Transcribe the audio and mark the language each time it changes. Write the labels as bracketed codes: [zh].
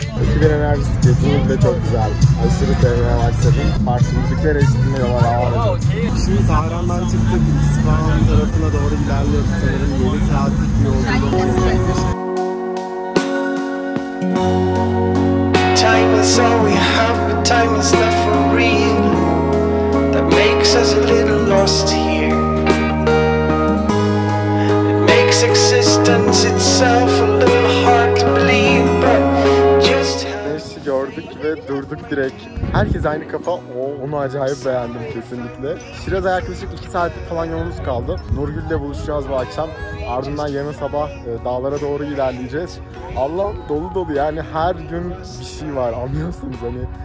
[tr] Ekibin enerjisi kesinlikle çok güzel. Aşırı sevmeye başladım. Farklı müzikler eşliğinde yola alacağım. Şimdi Tahran'dan çıktık. İsfahan tarafına doğru ilerliyoruz. Sanırım 7 saatlik bir yolculuk olacakmış. [en] Time is all we have, but time is left for real. That makes us a little lost here. It makes existence itself a little hard to believe, but [tr] gördük ve durduk direkt. Herkes aynı kafa. Onu acayip beğendim kesinlikle. Şiraz'a yaklaşık 2 saatlik falan yolumuz kaldı. Nurgül'le buluşacağız bu akşam. Ardından yarın sabah dağlara doğru ilerleyeceğiz. Allah'ım dolu dolu yani, her gün bir şey var, anlıyorsunuz hani.